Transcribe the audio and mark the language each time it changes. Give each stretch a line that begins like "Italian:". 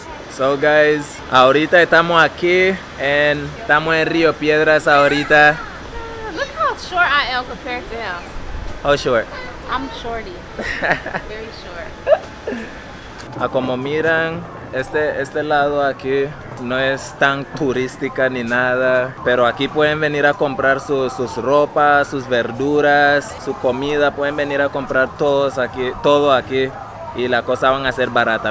English: So guys,
Spanish: ahorita estamos aquí en estamos en Río Piedras ahorita.
English: Look how short I am compared to him. How short? I'm shorty. Very short.
Spanish: A como miran, este lado aquí no es tan turística ni nada, pero aquí pueden venir a comprar sus ropas, sus verduras, su comida, pueden venir a comprar todo aquí y la cosa van a ser barata.